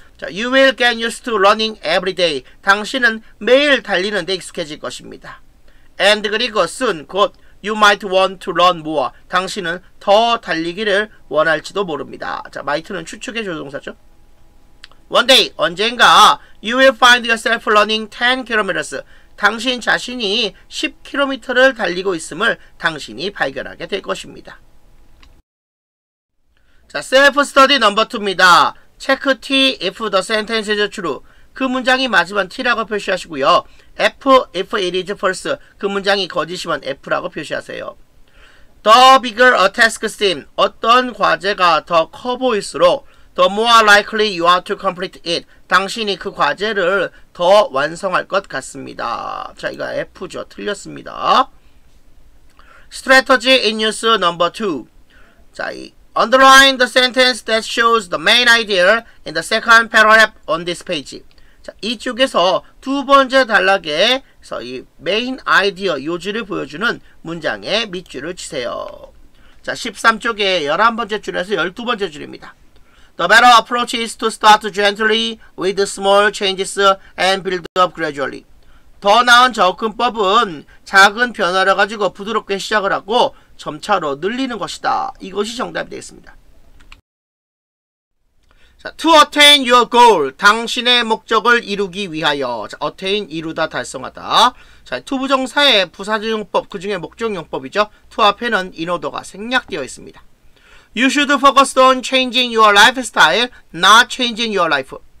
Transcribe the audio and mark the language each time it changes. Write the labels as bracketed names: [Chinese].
[English] 자, you will get used to running every day. [Korean] 당신은 매일 달리는데 익숙해질 것입니다. [English] And [Korean] 그리고 [English] soon, [Korean] 곧, [English] you might want to run more. [Korean] 당신은 더 달리기를 원할지도 모릅니다. 자, might는 추측의 조동사죠. [English] One day, [Korean] 언젠가 [English] you will find yourself running 10km. [Korean] 당신 자신이 10km를 달리고 있음을 당신이 발견하게 될 것입니다. [English] 자, self-study number 2입니다. Check T if the sentence is true. [Korean] 그 문장이 맞으면 T라고 표시하시고요. [English] F if it is false. [Korean] 그 문장이 거짓이면 F라고 표시하세요. [English] The bigger a task seems. [Korean] 어떤 과제가 더 커 보일수록 [English] The more likely you are to complete it. [Korean] 당신이 그 과제를 더 완성할 것 같습니다. 자, 이거 F죠. 틀렸습니다. [English] Strategy in use number 2. 자, underline the sentence that shows the main idea in the second paragraph on this page. [Korean] 자, 이쪽에서 두 번째 단락에 서 이 메인 아이디어 요지를 보여주는 문장의 밑줄을 치세요. 자, 13쪽에 11번째 줄에서 12번째 줄입니다. [English] The better approach is to start gently with small changes and build up gradually. [Korean] 더 나은 접근법은 작은 변화를 가지고 부드럽게 시작을 하고 점차로 늘리는 것이다. 이것이 정답이 되겠습니다. 자, [English] to attain your goal, [Korean] 당신의 목적을 이루기 위하여. 자, attain, 이루다, 달성하다. 자, 투부정사의 부사지용법, 그 중에 목적용법이죠. to 앞에는 인오더가 생략되어 있습니다. [English] You should focus on changing your lifestyle, not changing your life.